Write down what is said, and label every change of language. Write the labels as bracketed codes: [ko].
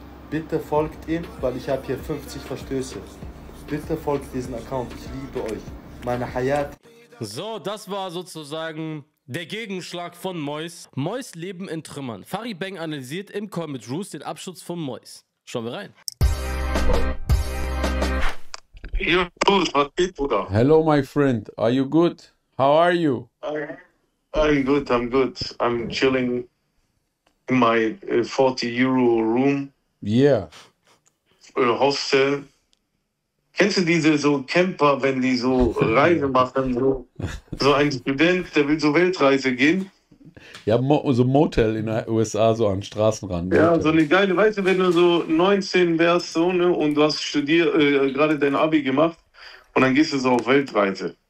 [de] Bitte folgt ihm, weil ich habe hier 50 Verstöße. Bitte folgt diesen Account, ich liebe euch. Meine Hayat. So, das war sozusagen... der Gegenschlag von Mois. Mois Leben in Trümmern. Farid Bang analysiert im Call mit Roos den Abschutz von Mois. Schauen wir rein. Hey, Roos, was geht, Bruder? [en] Hello, my friend. Are you good? How are you? I'm good. I'm chilling in my 40-Euro room. Yeah. Hostel. [de] Kennst du diese so Camper, wenn die so Reise machen? So ein Student, der will so Weltreise gehen. Ja, so Motel in den USA, so an Straßenrand. Ja, so eine geile, weißt du, wenn du so 19 wärst, so, ne, und du hast gerade dein Abi gemacht, und dann gehst du so auf Weltreise.